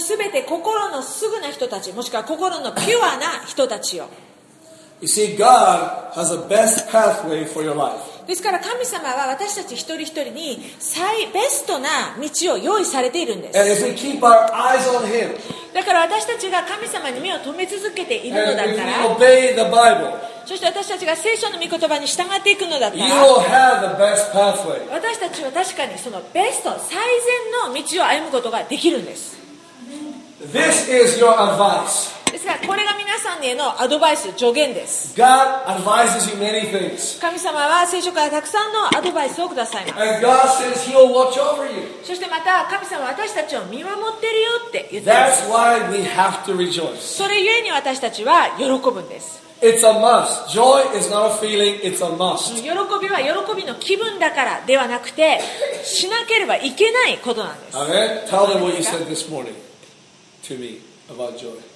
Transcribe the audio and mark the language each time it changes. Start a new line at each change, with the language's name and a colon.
Japanese: すべて心のすぐな人たち、もしくは心のピュアな人たちよ。
English: You see, God has a best pathway for your life.
Japanese: ですから神様は私たち一人一人に最ベストな道を用意されているんです。
English: And if we keep our eyes on him,
Japanese: だから私たちが神様に目を留め続けているのだから、
English: And if we obey the Bible,
Japanese: そして私たちが聖書の御言葉に従っていくのだったら、私たちは確かにそのベスト、最善の道を歩むことができるんです。
English: This is your advice.
Japanese: ですからこれが皆さんへのアドバイス、助言です。
English: God advises you many things.
Japanese: 神様は聖書からたくさんのアドバイスをくださいます。
English: And God says he'll watch over you.
Japanese: そしてまた神様は私たちを見守ってるよって言ってます
English: 。 That's why we have to rejoice.
Japanese: それゆえに私たちは喜ぶんです。
English: It's a must. Joy is not a feeling, it's a must.
Japanese: 喜びは喜びの気分だからではなくて、しなければいけないことなんです。
English: Amen. Tell them what you said this morning to me about joy.